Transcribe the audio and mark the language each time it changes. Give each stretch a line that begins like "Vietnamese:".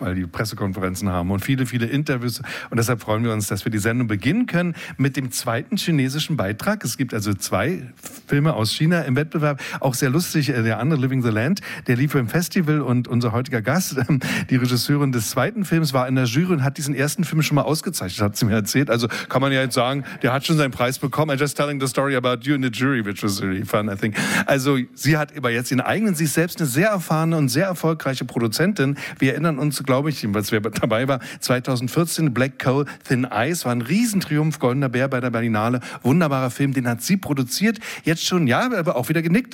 German: Weil die Pressekonferenzen haben und viele, viele Interviews. Und deshalb freuen wir uns, dass wir die Sendung beginnen können mit dem zweiten chinesischen Beitrag. Es gibt also zwei Filme aus China im Wettbewerb. Auch sehr lustig, der andere, Living the Land, der lief im Festival. Und unser heutiger Gast, die Regisseurin des zweiten Films, war in der Jury und hat diesen ersten Film schon mal ausgezeichnet, hat sie mir erzählt. Also kann man ja jetzt sagen, der hat schon seinen Preis bekommen.
English: I'm just telling the story about you in the jury, which was really fun, I think.
German: Also, sie hat aber jetzt ihren eigenen, sich selbst eine sehr erfahrene und sehr erfolgreiche Produzentin. Wir erinnern uns, glaube ich, was wer dabei war, 2014, Black Coal, Thin Ice, war ein Riesentriumph, Goldener Bär bei der Berlinale. Wunderbarer Film, den hat sie produziert. Jetzt schon, ja, aber auch wieder genickt.